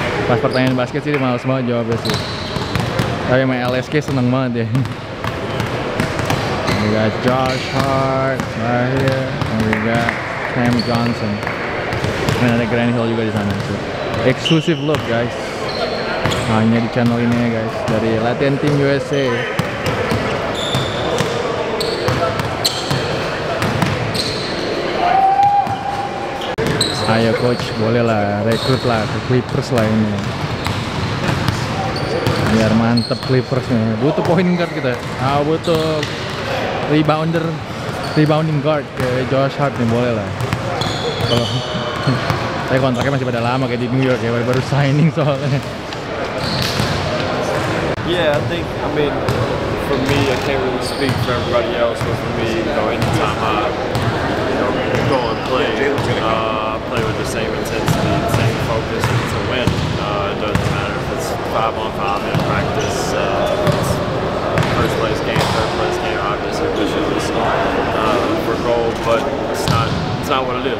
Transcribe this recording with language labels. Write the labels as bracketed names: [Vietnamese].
[Indonesian] Pas pertanyaan basket sih dia malas banget jawabnya sih. Tapi main LSK seneng banget ya. [English] We got Josh Hart right here, and we got Cam Johnson. And [Indonesian] ada Grand Hill juga di sana. [English] So, exclusive look guys. [Indonesian] Hanya di channel ini ya guys, dari Latin Team USA. Ayo coach, bolehlah rekrut lah ke Clippers lah ini. Biar mantep Clippersnya. Butuh point guard kita. Ah, butuh rebounder, rebounding guard ke Josh Hart nih, bolehlah. Kalau tapi kontraknya masih pada lama kayak di New York ya, baru signing soalnya. [English] Yeah, I think, I mean, for me, I can't really speak for everybody else, but for me, you know, anytime I, you know, go and play, play with the same intensity, the same focus to win. It doesn't matter if it's 5-on-5 in practice, it's first place game, third place game, obviously, which is just for gold, but it's not what it is.